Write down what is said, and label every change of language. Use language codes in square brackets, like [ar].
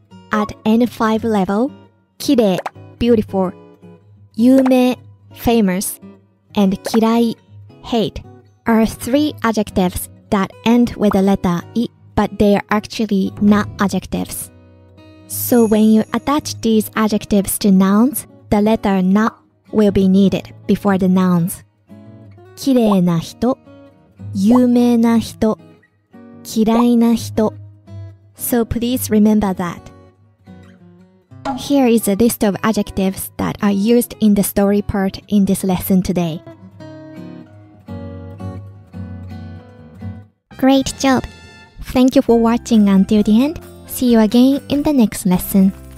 [en] At N5 level,きれい beautiful, 有名 famous, and 嫌い hate are three adjectives that end with the letter i, but they are actually not adjectives. So when you attach these adjectives to nouns, the letter na will be needed before the nouns. [ja] きれいな人、有名な人、嫌いな人。 [en] So please remember that. Here is a list of adjectives that are used in the story part in this lesson today. Great job! Thank you for watching until the end. See you again in the next lesson.